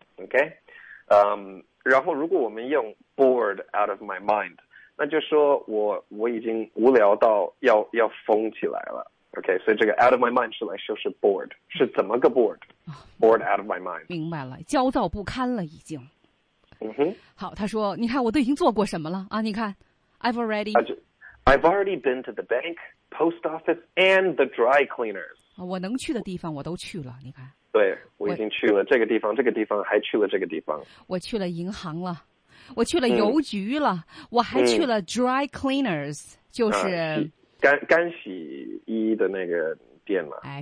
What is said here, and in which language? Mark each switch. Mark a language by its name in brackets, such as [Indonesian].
[Chinese] OK，然后如果我们用 [English] bored out of my mind， [Chinese] 那就说我已经无聊到要疯起来了。 OK， 所以这个 [English] out of my mind [Chinese] 是来修饰 bored， 是怎么个 bored out of my mind。明白了，焦躁不堪了已经。嗯哼，好，他说你看我都已经做过什么了啊，你看 [English] I've already been to the bank, post office and the dry cleaners。 [Chinese] 我能去的地方我都去了，你看。对，我已经去了这个地方，这个地方还去了这个地方。我去了银行了，我去了邮局了，我还去了 dry cleaners， 就是干洗衣的那个店了。哎，